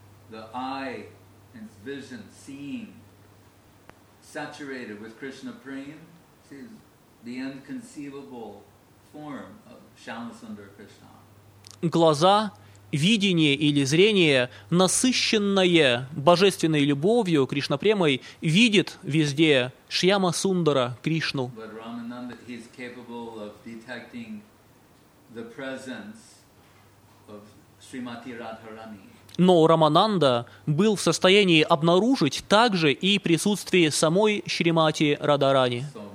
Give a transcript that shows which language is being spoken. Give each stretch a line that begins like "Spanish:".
English: The eye and vision, seeing, saturated with Krishna Prem, sees the inconceivable form of Shyamasundara Krishna.
Russian: Глаза, видение или зрение, насыщенное божественной любовью Кришна Премой, видит везде Шьямасундара Кришну.
English: But Ramananda, he's capable of detecting the presence of Srimati Radharani.
Russian: Но Рамананда был в состоянии обнаружить также и присутствие самой Шримати Радарани.